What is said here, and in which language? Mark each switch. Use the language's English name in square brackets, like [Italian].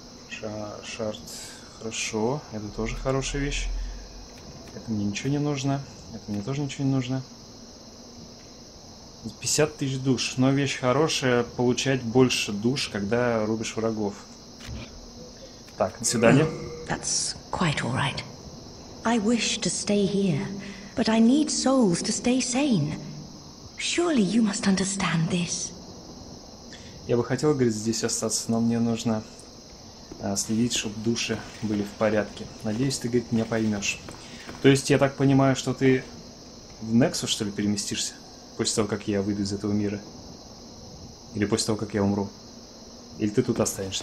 [Russian] Шард. Хорошо. Это тоже хорошая вещь. Это мне ничего не нужно. Это мне тоже ничего не нужно. 50 тысяч душ. Но вещь хорошая. Получать больше душ, когда рубишь врагов. Так, до свидания. [English] That's quite all right. I wish to stay here, but I need souls to stay sane. Surely you must understand this. [Russian] Я бы хотел, говорит, здесь остаться, но мне нужно следить, чтобы души были в порядке. Надеюсь, ты, говорит, меня поймешь. То есть, я так понимаю, что ты в Нексус, что ли, переместишься? После того, как я выйду из этого мира? Или после того, как я умру? Или ты тут останешься?